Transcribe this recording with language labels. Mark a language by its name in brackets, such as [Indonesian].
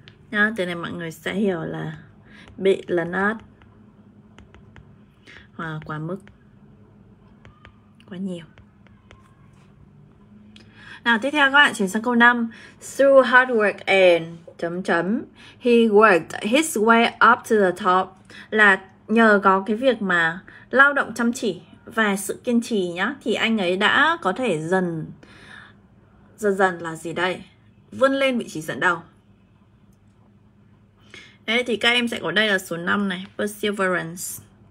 [Vietnamese] Nhá, từ này mọi người sẽ hiểu là bị lấn át hoặc quá mức, quá nhiều. Nào, tiếp theo các bạn chuyển sang câu 5. [English] Through hard work and [Vietnamese] chấm chấm, [English] he worked his way up to the top. [Vietnamese] Là nhờ có cái việc mà lao động chăm chỉ và sự kiên trì nhá, thì anh ấy đã có thể dần dần dần là gì đây, vươn lên vị trí dẫn đầu. Đấy, thì các em sẽ có đây là số 5 này, Perseverance.